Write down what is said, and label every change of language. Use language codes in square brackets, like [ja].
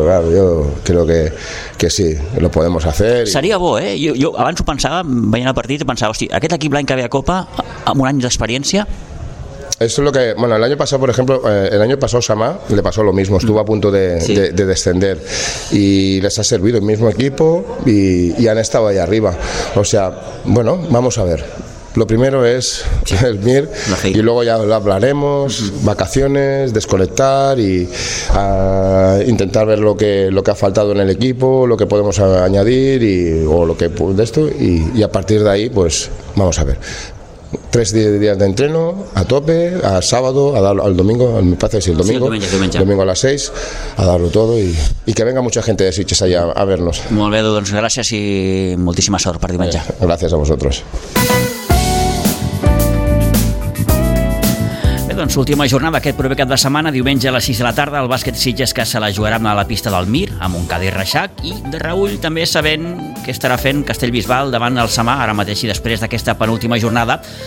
[es] Yo creo que sí, lo podemos hacer. [ca] Seria bo, eh? Jo abans ho pensava, veient el partit, pensava, hosti, aquest equip l'any que ve a Copa, amb un any d'experiència... [es] Eso es lo que, bueno, el año pasado, por ejemplo, el año pasado Samá le pasó lo mismo, estuvo a punto de descender, y les ha servido el mismo equipo y han estado ahí arriba. O sea, bueno, vamos a ver. Lo primero es el MIR, y luego ya lo hablaremos, vacaciones, desconectar y intentar ver lo que ha faltado en el equipo, lo que podemos añadir o lo que de esto, y a partir de ahí, pues vamos a ver. 3 días de entreno, a tope, a sábado, al domingo, me parece que es el domingo, sí, el domingo a las 6, a darlo todo, y que venga mucha gente de Sitges allá a vernos. [ca] Molt bé, doncs gràcies i moltíssima sort per dimanche. Gràcies [es] a vosotros. [ca] Doncs última jornada aquest proper cap de setmana, diumenge a les 6 de la tarda, el bàsquet Sitges que se la jugarà a la pista del Mir, amb un Cadí Reixac, i de reull també sabent què estarà fent Castellbisbal davant el Samà, ara mateix i després d'aquesta penúltima jornada.